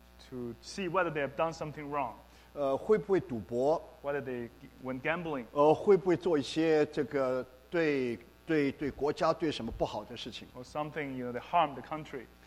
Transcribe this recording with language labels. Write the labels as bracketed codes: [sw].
[en] To see whether they have done something wrong. [zh] 会不会赌博？ [en] Whether they went gambling. [zh] 会不会做一些这个对国家对什么不好的事情？ [en] Or something, you know, they harm the country.